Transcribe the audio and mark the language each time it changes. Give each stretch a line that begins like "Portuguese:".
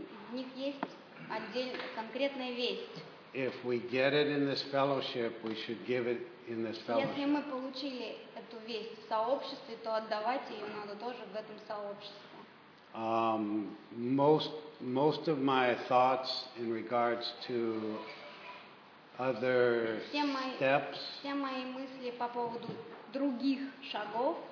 Russian: В них есть конкретная весть.
English: If we get it in this fellowship, we should give it in this fellowship.
Russian: Если мы получили эту весть в сообществе, то отдавать ее надо тоже в этом сообществе.
English: Most of my thoughts in regards to other steps.
Russian: Все мои мысли по поводу других шагов.